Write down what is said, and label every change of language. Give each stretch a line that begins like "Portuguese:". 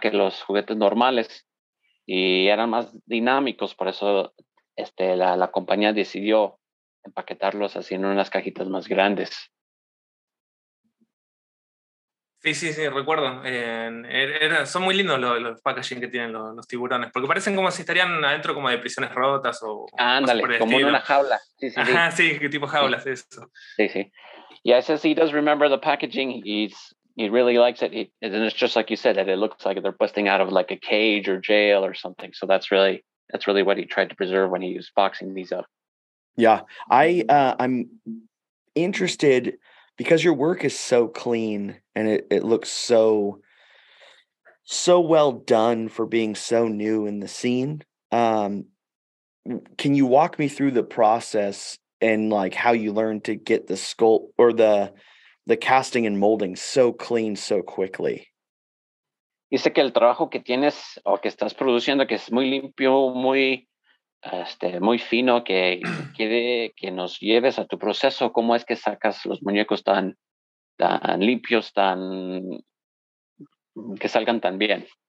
Spanish: Que los juguetes normales y eran más dinámicos, por eso la compañía decidió empaquetarlos así en unas cajitas más grandes. Sí, recuerdo. Son muy lindos los packaging que tienen los tiburones, porque parecen como si estarían adentro como de prisiones rotas o ándale, como en una jaula. Sí. Ajá, sí, tipo jaulas, sí. Eso. Sí.
English: Yeah, it says he does remember the packaging. He really likes it. And it's just like you said, that it looks like they're busting out of like a cage or jail or something. So that's really what he tried to preserve when he was boxing these up. Yeah, I'm interested because your work is so clean and it looks so, so well done for being so new in the scene. Can you walk me through the process and like how you learned to get the sculpt or the casting and molding so clean so quickly?
Spanish: Dice que el trabajo que tienes o que estás produciendo que es muy limpio, muy muy fino, que quiere que nos lleves a tu proceso, cómo es que sacas los muñecos tan tan limpios, tan que salgan tan bien.